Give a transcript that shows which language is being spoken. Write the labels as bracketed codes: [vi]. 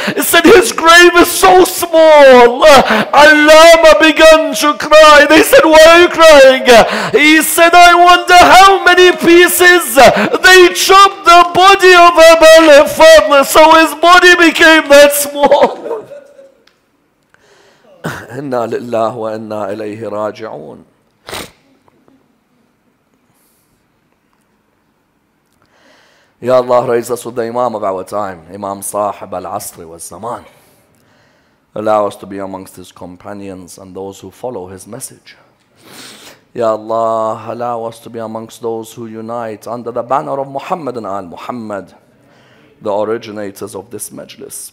[en] He said, his grave is so small. Allama began to cry. They said, why are you crying? He said, I wonder how many pieces they chopped the body of Aba al-Fadl, so his body became that small. [ar] إنا لله وإنا إليه راجعون. يا الله [en] raise us with the Imam of our time, Imam [ar] صاحب العصر والزمان. [en] Allow us to be amongst his companions and those who follow his message. [ar] يا الله [en] allow us to be amongst those who unite under the banner of Muhammad and Al Muhammad, the originators of this majlis.